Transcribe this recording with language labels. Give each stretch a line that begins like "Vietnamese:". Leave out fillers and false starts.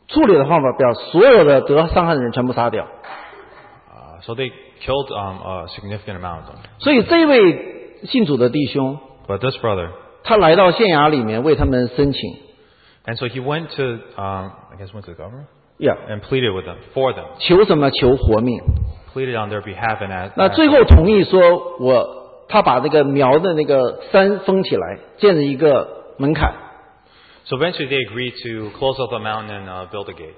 Chinese: 所以他们把处理的方法，把所有的得伤害的人全部杀掉。
English: So they killed a significant amount of them.
Chinese: 所以这位 信主的弟兄,
English: but this brother,
Chinese: 他来到县衙里面为他们申请,
English: and so he went to, I guess went to the governor, yeah, and pleaded with them for them.
Chinese: 求什么?求活命.
English: Pleaded on their behalf and asked.
Chinese: 那最后同意说我, 他把那个苗的那个山封起来，建了一个门槛.
English: So eventually they agreed to close up the mountain and build a gate.